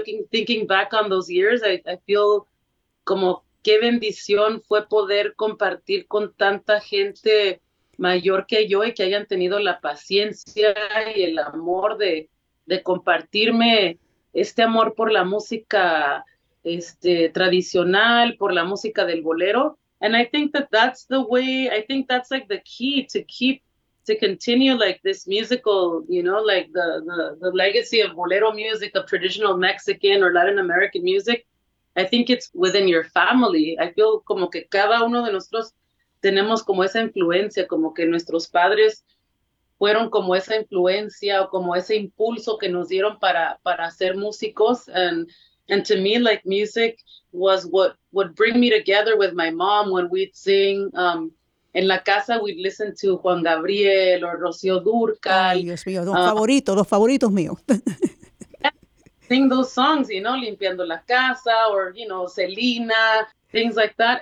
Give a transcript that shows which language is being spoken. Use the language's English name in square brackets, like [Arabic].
[English] Thinking back on those years, I feel [Spanish] como qué bendición fue poder compartir con tanta gente mayor que yo y que hayan tenido la paciencia y el amor de compartirme este amor por la música tradicional, por la música del bolero. [English] And I think that that's the way, I think that's like the key to keep, to continue like this musical, you know, like the legacy of bolero music, of traditional Mexican or Latin American music. I think it's within your family. I feel [Spanish] como que cada uno de nosotros tenemos como esa influencia, como que nuestros padres fueron como esa influencia o como ese impulso que nos dieron para ser músicos. [English] And to me, like, music was what would bring me together with my mom when we'd sing. [Spanish] En la casa, [English] we'd listen to Juan Gabriel or Rocío Dúrcal. [Spanish] Ay, Dios mío, los favoritos míos. [English] Sing those songs, you know, Limpiando la Casa, or, you know, Selena, things like that.